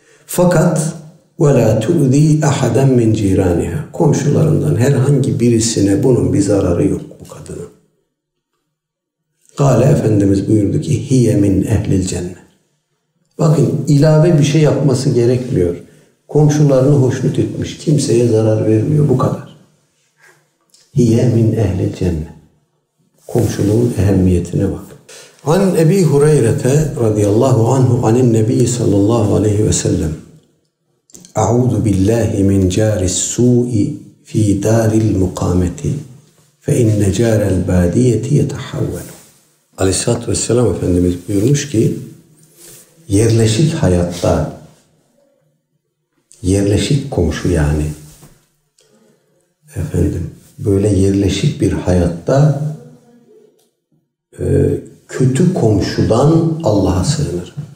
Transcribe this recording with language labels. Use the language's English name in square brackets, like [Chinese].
[Turkish] Fakat [Arabic] وَلَا تُعْذ۪ي اَحَدًا مِنْ جِيرَانِهَا [Turkish] komşularından herhangi birisine bunun bir zararı yok bu kadına. Kale Efendimiz buyurdu ki [Arabic] هِيَ مِنْ اَهْلِ الْجَنَّةِ [Turkish] bakın ilave bir şey yapması gerekmiyor. Komşularını hoşnut etmiş, kimseye zarar vermiyor, bu kadar. [Arabic] هِيَ مِنْ اَهْلِ الْجَنَّةِ [Turkish] komşuluğun ehemmiyetine bak. [Arabic] An Ebi Hureyre'te radıyallahu anhu anin Nebi sallallahu aleyhi ve sellem أعوذ بالله من جار السوء في دار المقامة فإن جار البادية يتحول. [Turkish] Aleyhissalatü vesselam Efendimiz buyurmuş ki yerleşik hayatta, yerleşik komşu yani efendim böyle yerleşik bir hayatta kötü komşudan Allah'a sığınır.